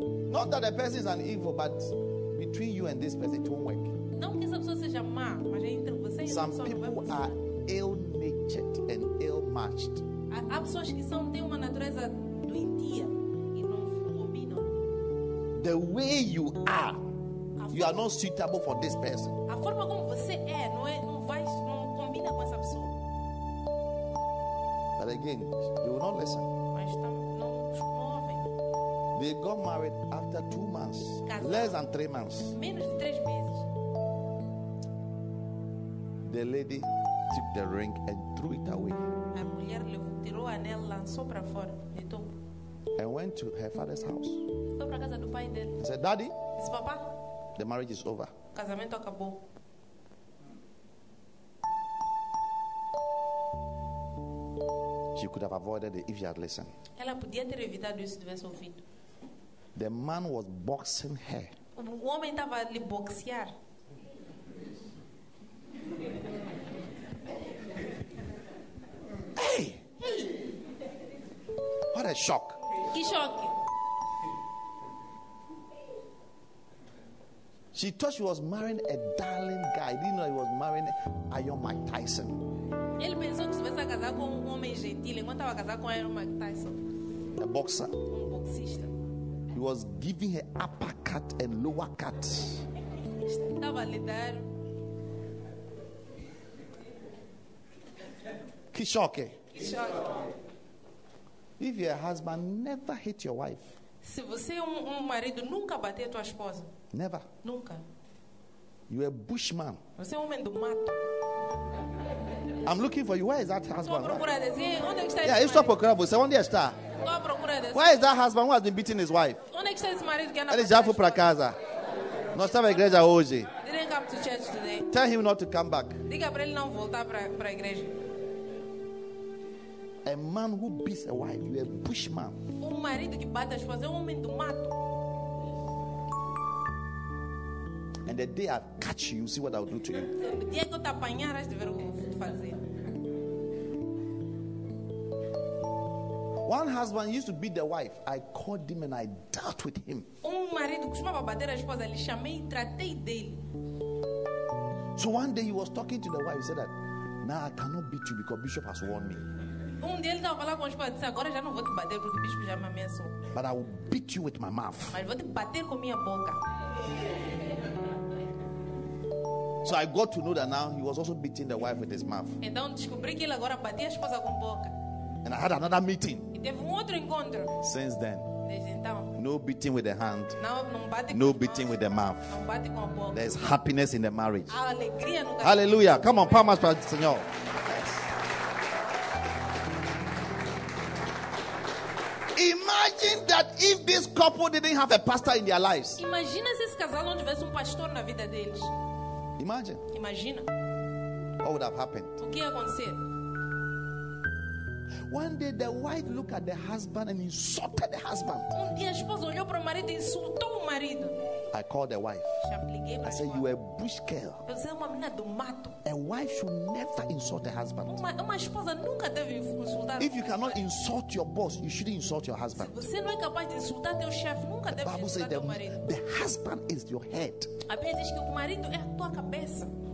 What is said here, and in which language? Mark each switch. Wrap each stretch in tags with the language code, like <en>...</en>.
<en>Not that the person is an evil, but between you and this person, it won't work.</en> <pt>Não que essa pessoa seja má, mas entre você e essa pessoa não vai funcionar.</pt> <en>Ill-natured and ill-matched.</en> <pt>Há pessoas que são têm uma natureza doentia e não combinam.</pt> <en>The way you are, you are not suitable for this person.</en> <pt>A forma como você é não combina com essa pessoa.</pt> <en>But again, they will not listen.</en> <pt>Mas não ouvem.</pt> <en>They got married after 2 months,</en> <pt>casado.</pt> <en>Less than 3 months.</en> <pt>Menos de 3 meses.</pt> <en>The lady took the ring and threw it away.</en> <pt>A mulher tirou o anel, lançou para fora, deitou.</pt> <en>And went to her father's house.</en> <pt>Foi para casa do pai dele.</pt> <en>And said, Daddy.</en> <pt>Disse, papá.</pt> <en>The marriage is over.</en> <pt>O casamento acabou.</pt> <en>She could have avoided it if she had listened.</en> <pt>Ela podia ter evitado isso se tivesse ouvido.</pt> <en>The man was boxing her.</en> <pt>O homem estava lhe boxear.</pt> <en>Thank you. What a shock.</en> <pt>Que choque.</pt> <en>She thought she was marrying a darling guy. Didn't know he was marrying Iron Mike Tyson.</en> <pt>Ele pensou que se fosse a casar com um homem gentil, enquanto estava a casar com Iron Mike Tyson.</pt> <en>A boxer.</en> <pt>Um boxista.</pt> <en>He was giving her upper cut and lower cut.</en> <pt>Estava a lhe dar. Que choque. Que choque.</pt> <en>If you're a husband, never hit your wife.</en> <pt>Se você é um marido, nunca bater a tua esposa.</pt> <en>Never.</en> <pt>Nunca.</pt> <en>You're a bushman.</en> <pt>Você é homem do mato.</pt> <en>I'm looking for you. Where is that husband?</en> <pt>Estou procurando. Onde está esse marido? Yeah, eu estou procurando você. Onde está? Estou procurando.</pt> <en>Where is that husband who has been beating his wife?</en> <pt>Onde está esse marido que anda? Ele já foi para casa. Nós estamos na igreja hoje.</pt> <en>Didn't come to church today. Tell him not to come back.</en> <pt>Diga para ele não voltar para a igreja.</pt> <en>A man who beats a wife, you are a bushman.</en> <pt>Um marido que bate a esposa é um homem do mato.</pt> <en>And the day I catch you, see what I'll do to you.</en> <pt>Dia que eu te apanhar, vais ver o que vou fazer.</pt> <en>One husband used to beat the wife. I called him and I dealt with him.</en> <pt>Um marido costumava bater a esposa, lhe chamei e tratei dele.</pt> <en>So one day he was talking to the wife. He said that, now I cannot beat you because Bishop has warned me.</en> <pt>Um dia ele estava falando com os pais e disse, agora já não vou te bater porque o bispo já me ameaçou.</pt> <en>But I will beat you with my mouth.</en> <pt>Mas vou te bater com minha boca.</pt> <en>So I got to know that now he was also beating the wife with his mouth.</en> <pt>Então descobri que ele agora batia a esposa com boca.</pt> <en>And I had another meeting.</en> <pt>E teve outro encontro.</pt> <en>Since then.</en> <pt>Desde então.</pt> <en>No beating with the hand.</en> <pt>Não bate com a</pt> <en>beating mouth. With the mouth.</en> <pt>Não bate com a boca.</pt> <en>There's happiness in the marriage.</en> <pt>A alegria no casamento. Hallelujah.</pt> <en>Come on,</en> <pt>palmas para o Senhor.</pt> <en>Imagine that if this couple didn't have a pastor in their lives.</en> <pt>Imagina se esse casal não tivesse um pastor na vida deles.</pt> <en>Imagine.</en> <pt>Imagina.</pt> <en>What would have happened?</en> <pt>O que ia acontecer?</pt> <en>One day the wife looked at the husband and insulted the husband.</en> <pt>Um dia a esposa olhou para o marido e insultou o marido.</pt> <en>I called the wife.</en> <pt>Chamei-lhe.</pt> <en>I said you are a bush girl.</en> <pt>Você é uma menina do mato.</pt> <en>A wife should never insult a husband.</en> <pt>Uma esposa nunca deve insultar.</pt> <en>If you cannot insult your boss, you shouldn't insult your husband.</en> <pt>Se você não é capaz de insultar teu chefe, nunca deve insultar teu marido.</pt> <en>The husband is your head.</en> <pt>A Bíblia diz que o marido é a tua cabeça.</pt>